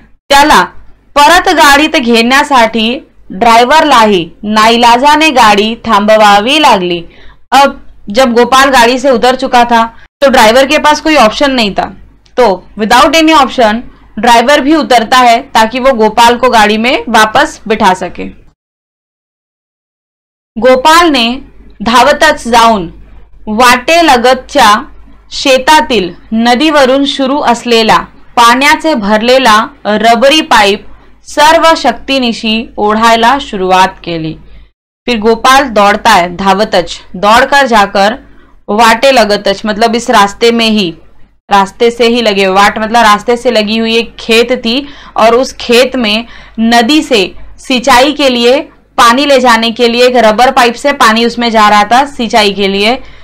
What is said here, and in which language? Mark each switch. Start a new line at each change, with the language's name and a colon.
Marathi: त्याला परत गाड़ीत घेण्यासाठी ड्राइवर लाही नाइलाजा ने गाड़ी थांबवावी लागली।
Hindi: अब जब गोपाल गाड़ी से उतर चुका था तो ड्राइवर के पास कोई ऑप्शन नहीं था, तो
English: without any option
Hindi: ड्राइवर भी उतरता है ताकि वो गोपाल को गाड़ी में वापस बिठा सके।
Marathi: गोपाल ने धावतच जाऊन वाटे लगतच्या शेतातील नदीवरून शुरू असलेला पाण्याचे भरलेला रबरी पाइप सर्व शक्तिनिशी ओढायला शुरुआत केली।
Hindi: फिर गोपाल दौड़ता है, धावतच दौड़कर जाकर
Marathi: वाटे लगतच
Hindi: मतलब इस रास्ते में ही, रास्ते से ही लगे, वाट मतलब रास्ते से लगी हुई एक खेत थी और उस खेत में नदी से सिंचाई के लिए पानी ले जाने के लिए एक रबर पाइप से पानी उसमें जा रहा था सिंचाई के लिए।